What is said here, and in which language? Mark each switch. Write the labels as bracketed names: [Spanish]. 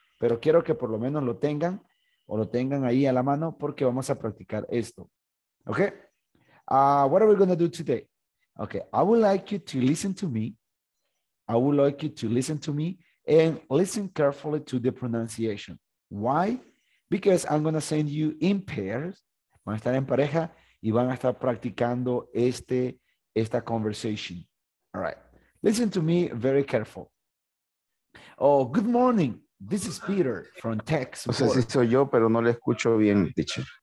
[Spanish] Pero quiero que por lo menos lo tengan o lo tengan ahí a la mano porque vamos a practicar esto. [English] Okay. What are we going to do today? Okay. I would like you to listen to me. I would like you to listen to me. And listen carefully to the pronunciation. Why? Because I'm going to send you in pairs. [Spanish] Van a estar en pareja y van a estar practicando esta conversation. [English] All right. Listen to me very careful. Oh, good morning. This is Peter from Tech Support. [Spanish] O sea, sí soy yo, pero no le escucho bien, teacher.